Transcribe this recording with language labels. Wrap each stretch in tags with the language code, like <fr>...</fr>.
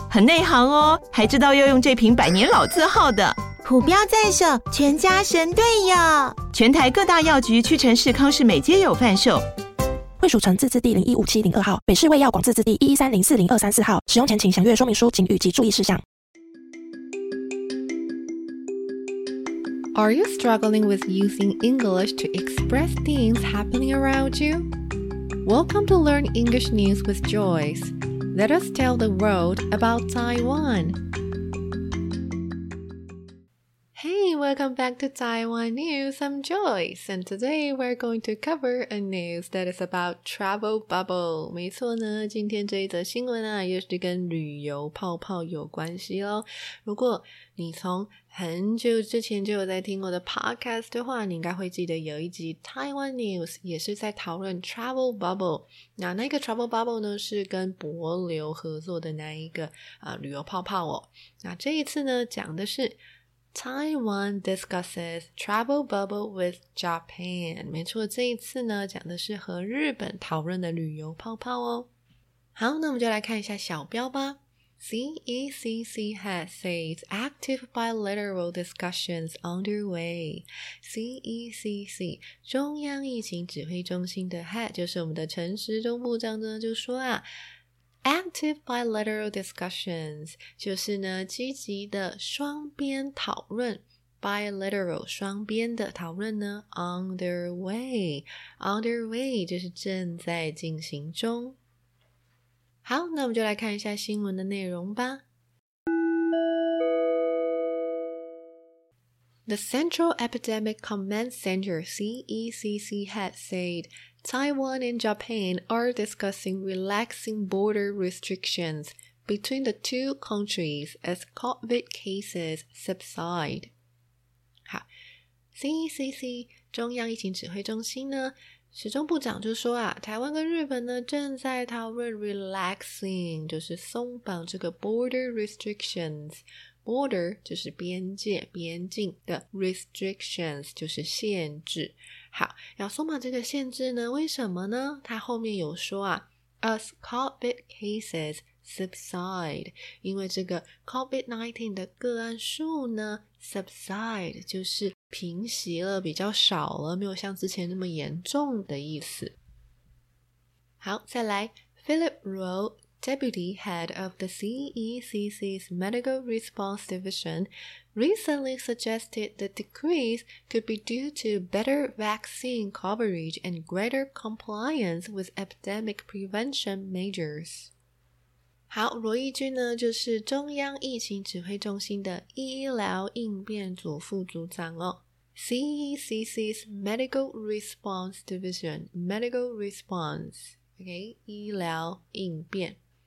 <zh>很内行哦，还知道要用这瓶百年老字号的。虎标在手，全家神队友。全台各大药局、屈臣氏、康氏美皆有贩售。卫蜀成字字第015702号，北市卫药广字字第113040234号。使用前请详阅说明书、警语及注意事项。</zh> <en>Are you struggling with using English to express things happening around you? Welcome to Learn English News with Joyce. Let us tell the world about Taiwan. Hey, welcome back to Taiwan News. I'm Joyce, and today we're going to cover a news that is about travel bubble.</en> <zh>没错呢，今天这一则新闻啊，又是跟旅游泡泡有关系咯。如果你从很久之前就有在听我的 podcast 的话，你应该会记得有一集 Taiwan News 也是在讨论 Travel Bubble。那个 Travel Bubble 呢，是跟博流合作的那一个旅游泡泡哦。那这一次呢，讲的是</zh> <en>Taiwan discusses travel bubble with Japan.</en> <zh>没错，这一次呢，讲的是和日本讨论的旅游泡泡哦。好，那我们就来看一下小标吧。</zh> <en>CECC has said active bilateral discussions underway.</en> <zh>CECC 中央疫情指挥中心的 head 就是我们的陈时中部长呢，就说啊。</zh> <en>Active bilateral discussions</en> <zh>就是呢积极的双边讨论 bilateral 双边的讨论呢 underway 就是正在进行中。好，那我们就来看一下新闻的内容吧。</zh> <en>The Central Epidemic Command Center CECC had saidTaiwan and Japan are discussing relaxing border restrictions between the two countries as COVID cases subside.</en> <zh>好 ,CECC, 中央疫情指挥中心呢，时钟部长就说啊，台湾跟日本呢正在讨论 relaxing, 就是松绑这个</zh> <en>border restrictions。</en> <zh>Border 就是边界边境的 restrictions 就是限制。好，要松绑这个限制呢，为什么呢？他后面有说啊</zh> <en>as COVID cases subside,</en> <zh>因为这个 COVID-19 的个案数呢 subside 就是平息了，比较少了，没有像之前那么严重的意思。</zh> <en>好，再来 Philip RoeDeputy head of the CECC's Medical Response Division recently suggested the decrease could be due to better vaccine coverage and greater compliance with epidemic prevention measures.</en> <zh>好，罗义军呢，就是中央疫情指挥中心的医疗应变组副组长哦。</zh> <en>CECC's Medical Response Division, Medical Response, okay,</en> <zh>医疗应变。</zh>